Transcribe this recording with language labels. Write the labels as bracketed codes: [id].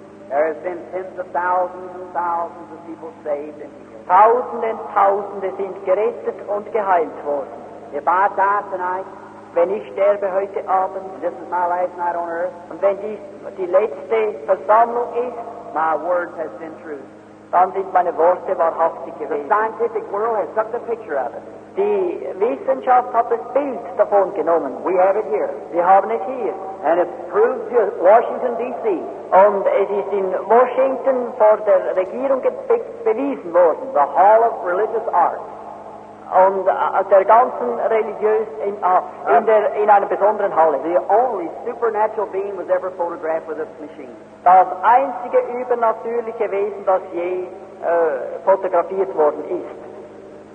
[en] There have been tens of thousands and thousands of people saved and healed. [de] Tausende und Tausende sind gerettet und geheilt worden. [en] If I die tonight, [de] wenn ich sterbe heute Abend, [en] this is my last night on earth, [de] und wenn dies die letzte Versammlung ist, [en] my word has been true. [de] Dann sind meine Worte wahrhaftig gewesen. [en] The scientific world has took the picture of it. [de] Die Wissenschaft hat das Bild davon genommen. [en] We have it here. [de] Wir haben es hier. [en] And it's proved to Washington, D.C. [de] Und es ist in Washington vor der Regierung bewiesen worden. [en] The Hall of Religious Arts. [de] Und der ganzen religiös in einer besonderen Halle. [en] The only supernatural being was ever photographed with this machine. [de] Das einzige übernatürliche Wesen, das je fotografiert worden ist.